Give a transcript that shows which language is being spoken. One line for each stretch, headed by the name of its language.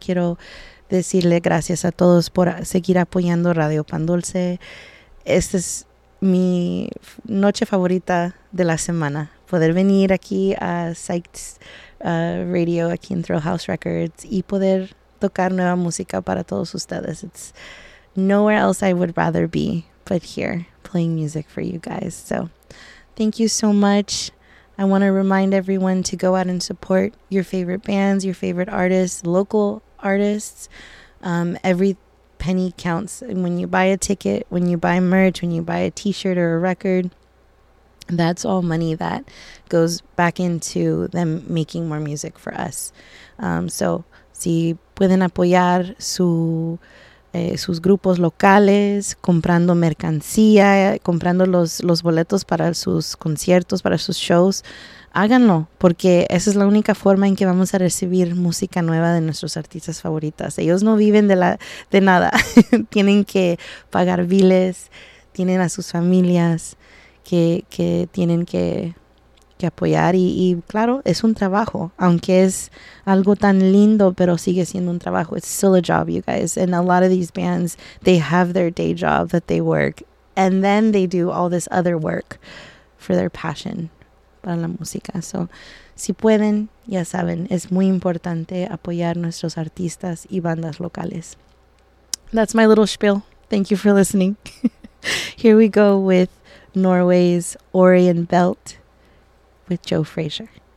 Spanish: Quiero decirle gracias a todos por seguir apoyando Radio Pan Dulce. Esta es mi noche favorita de la semana. Poder venir aquí a Psyched's Radio, aquí en Thrill House Records, y poder tocar nueva música para todos ustedes.
English: It's nowhere else I would rather be but here playing music for you guys. So thank you so much. I want to remind everyone to go out and support your favorite bands, your favorite artists, local artists. Every penny counts. And when you buy a ticket, when you buy merch, when you buy a t-shirt or a record, that's all money that goes back into them making more music for us.
Spanish: So si pueden apoyar sus grupos locales, comprando mercancía, comprando los boletos para sus conciertos, para sus shows, háganlo, porque esa es la única forma en que vamos a recibir música nueva de nuestros artistas favoritas. Ellos no viven de nada. Tienen que pagar biles, tienen a sus familias que tienen que apoyar, y claro, es un trabajo, aunque es algo tan lindo, pero sigue siendo un trabajo.
English: It's still a job, you guys. And a lot of these bands, they have their day job that they work, and then they do all this other work for their passion
Spanish: para la música. So, si pueden, ya saben, es muy importante apoyar nuestros artistas y bandas locales.
English: That's my little spiel. Thank you for listening. Here we go with Norway's Orion Belt with Joe Frazier.